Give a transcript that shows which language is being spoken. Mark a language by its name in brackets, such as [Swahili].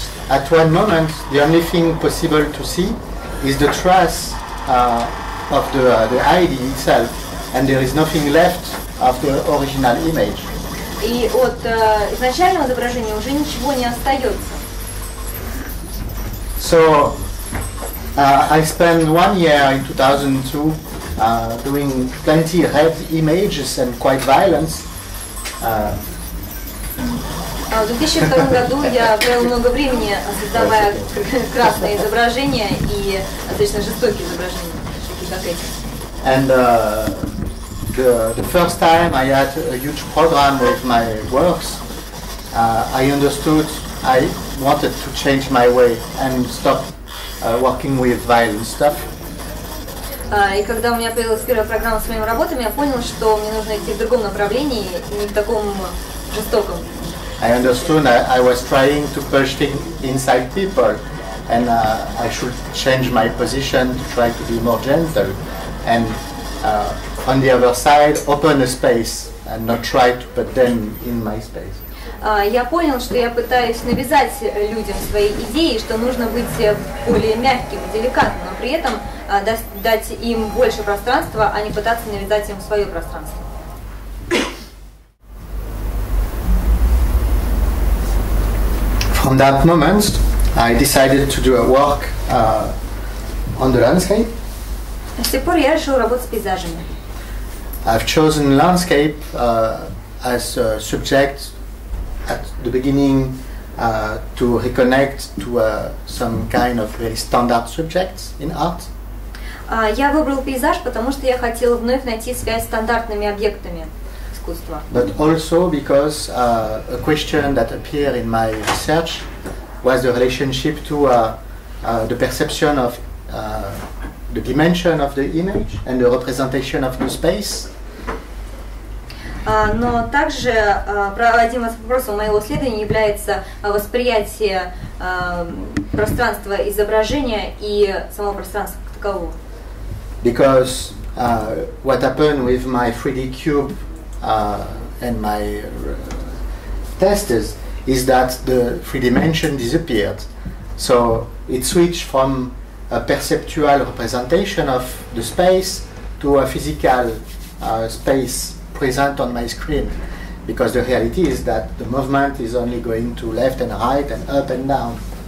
[English] At one moment, the only thing possible to see is the trace of the ID itself, and there is nothing left of the original image. [Russian] И от изначального изображения уже ничего не остается. [English] So, I spent 1 year in 2002 doing plenty of red images and quite violent. [Russian] В 2002 году я провел много времени, создавая красные изображения и достаточно жестокие изображения, такие как эти. [English] And the first time I had a huge program with my works, I understood I wanted to change my way and stop working with violent stuff. [Russian] И когда у меня появилась первая программа с моими работами, я понял, что мне нужно идти в другом направлении, не в таком жестоком. [English] I understood I was trying to push things inside people, and I should change my position to try to be more gentle, and on the other side, open a space and not try to put them in my space. [Russian] Я понял, что я пытаюсь навязать людям свои идеи, что нужно быть более мягким, деликатным, но при этом дать им больше пространства, а не пытаться навязать им свое пространство. [English] From that moment, I decided to do a work on the landscape. [Russian] С тех пор я решил работать с пейзажами. [English] I've chosen landscape as a subject at the beginning to reconnect to some kind of very standard subjects in art. [Russian] Я выбрал пейзаж, потому что я хотел вновь найти связь с стандартными объектами. [English] But also because a question that appeared in my research was the relationship to the perception of the dimension of the image and the representation of the space. [Russian] Но также одним из вопросов моего исследования является восприятие пространства изображения и самого пространства как такового. [English] Because what happened with my 3D cube and my test is that the three dimension disappeared, so it switched from a perceptual representation of the space to a physical space present on my screen, because the reality is that the movement is only going to left and right and up and down.